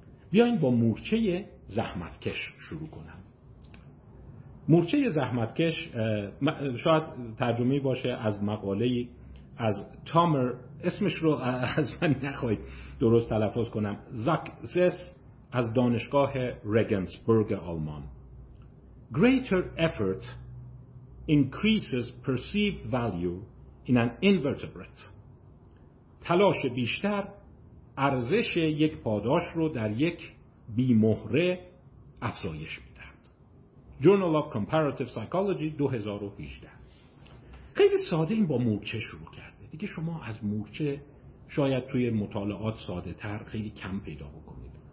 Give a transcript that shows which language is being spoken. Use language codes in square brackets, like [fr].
[fa] بیاین با مورچه زحمتکش شروع کنم. مورچه زحمتکش شاید ترجمه باشه از مقاله از تامر، اسمش رو از من نخواهید درست تلفظ کنم، زاک زس از دانشگاه رگنسبرگ آلمان. [en] Greater effort increases perceived value in an invertebrate. [fa] تلاش بیشتر ارزش یک پاداش رو در یک بیمهره افزایش میدهد. [en] Journal of Comparative Psychology 2018. [fa] خیلی ساده این با مورچه شروع کرده. دیگه شما از مورچه شاید توی مطالعات ساده تر خیلی کم پیدا بکنید.